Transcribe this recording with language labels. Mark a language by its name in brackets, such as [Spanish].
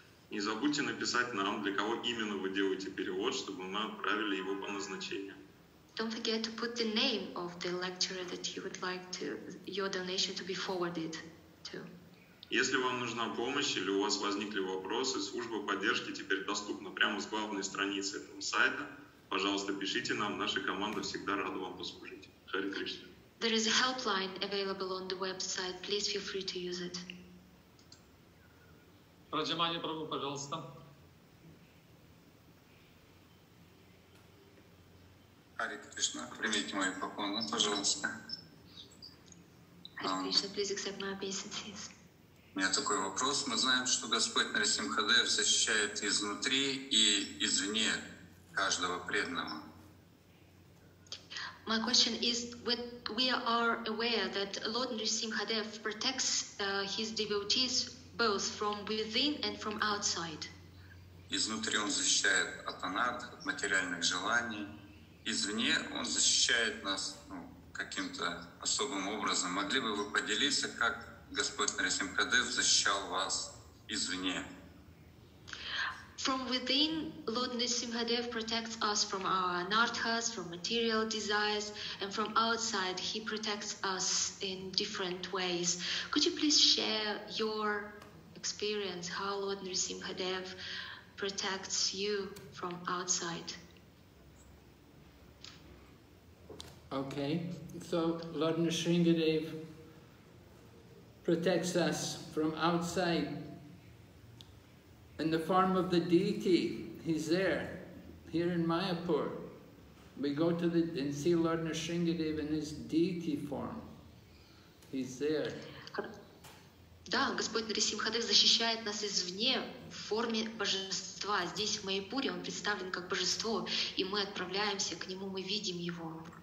[Russian] Не забудьте написать нам, для кого именно вы делаете перевод, чтобы мы отправили его по назначению. [English] Don't forget to put the name of the lecturer that you would like to your donation to be forwarded to. [Russian] Если вам нужна помощь или у вас возникли вопросы, служба поддержки теперь доступна прямо с главной страницы этого сайта. Пожалуйста, пишите нам, наша команда всегда рада вам послужить. Харе Кришна. [English] There is a helpline available on the website. Please feel free to use it. [Russian] Раджамани Прабху, пожалуйста. Харе Кришна, примите мои поклоны, пожалуйста. [English] Харе Кришна, please accept my obeisances. [Russian] У меня такой вопрос. Мы знаем, что Господь Нарасимхадев защищает изнутри и извне каждого преданного. [English] My question is, we are aware that Lord Nrisimhadev protects his devotees both from within and from outside. [Russian] Изнутри он защищает от анат, от материальных желаний. Извне он защищает нас каким-то особым образом. Могли бы вы поделиться, как Господь Нрисимхадев защищал вас извне? [English] From within, Lord Nrisimhadev protects us from our anarthas, from material desires, and from outside, he protects us in different ways. Could you please share your experience, how Lord Nrisimhadev protects you from outside? Okay, so Lord Nrisimhadev protects us from outside. In the form of the deity, he's there, here in Mayapur. We go to the and see Lord Nrisimhadev in his deity form. He's there. [Russian] Да, Господь Нрисимхадев защищает нас извне в форме божества. Здесь в Майпуре он представлен как божество, и мы отправляемся к нему, мы видим его.